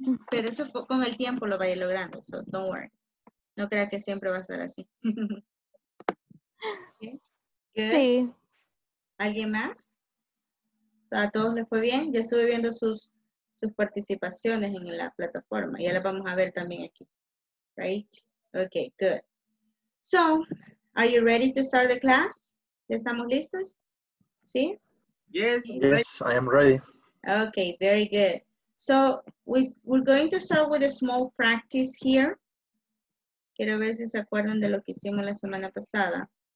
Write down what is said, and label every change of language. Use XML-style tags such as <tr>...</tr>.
<es>Pero eso con el tiempo lo vaya logrando.</es> <en>So, don't worry.</en> <es>No crea que siempre va a ser así.</es> <en>Okay. Good.</en> <es>Sí. ¿Alguien más? ¿A todos les fue bien? Ya estuve viendo sus participaciones en la plataforma. Ya las vamos a ver también aquí.</es> <en>Right? Okay, good. So, are you ready to start the class?</en> <es>¿Ya estamos listos? ¿Sí?</es> <en>Yes, yes, I am ready. Okay, very good. So, we're going to start with a small practice here.</en> <es>Quiero ver si se acuerdan de lo que hicimos la semana pasada.</es>